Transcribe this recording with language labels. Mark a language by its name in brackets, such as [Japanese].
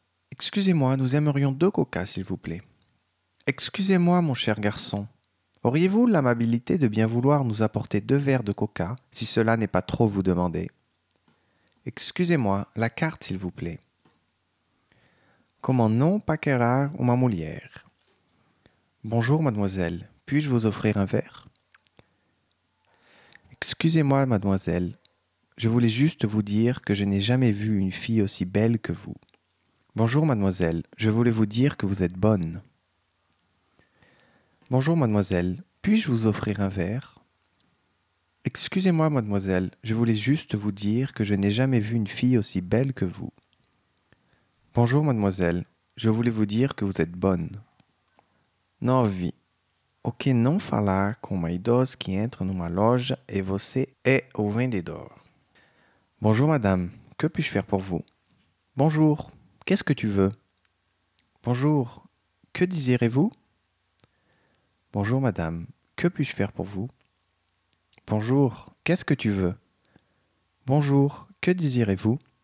[French] Excusez-moi, nous aimerions 2 coca, s'il vous plaît. Excusez-moi, mon cher garçon, auriez-vous l'amabilité de bien vouloir nous apporter 2 verres de coca, si cela n'est pas trop vous demander? Excusez-moi, la carte, s'il vous plaît. Comment non [Portuguese] paquerar uma mulher? [French] Bonjour, mademoiselle, puis-je vous offrir un verre? Excusez-moi, mademoiselle, je voulais juste vous dire que je n'ai jamais vu une fille aussi belle que vous. Bonjour, mademoiselle, je voulais vous dire que vous êtes bonne. Bonjour, mademoiselle, puis-je vous offrir un verre? Excusez-moi, mademoiselle, je voulais juste vous dire que je n'ai jamais vu une fille aussi belle que vous. Bonjour, mademoiselle, je voulais vous dire que vous êtes bonne. 9. [Portuguese] O que não falar com uma idosa que entra numa loja e você é o vendedor? [French] Bonjour, madame, que puis-je faire pour vous? Bonjour. Qu'est-ce que tu veux? Bonjour, que désirez-vous? Bonjour, madame, que puis-je faire pour vous? Bonjour, qu'est-ce que tu veux? Bonjour, que désirez-vous?